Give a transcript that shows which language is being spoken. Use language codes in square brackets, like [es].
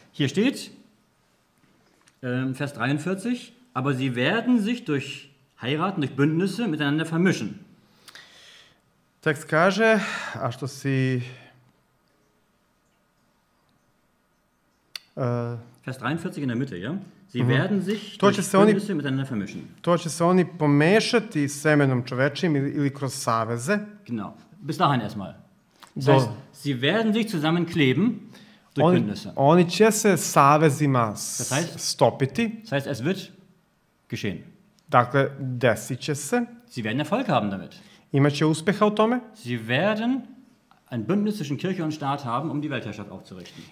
[de] Hier steht, Vers 43, aber sie werden sich durch Heiraten, durch Bündnisse miteinander vermischen. [sr] Tekst kaže, a što si... [de] Vers 43 in der Mitte, ja? Sie werden sich durch Bündnisse miteinander vermischen. [sr] To će se oni pomešati semenom čovečim ili kroz saveze. [de] Genau. Bis dahin erstmal. Das heißt, sie werden sich zusammenkleben durch Bündnisse. [sr] Oni će se savezima stopiti. [de] Das heißt, es wird geschehen. [sr] Dakle, desit će se. [de] Sie werden Erfolg haben damit. [sr] Imaće uspeha u tome. [de] Sie werden ein Bündnis zwischen Kirche und Staat haben, um die Weltherrschaft aufzurichten.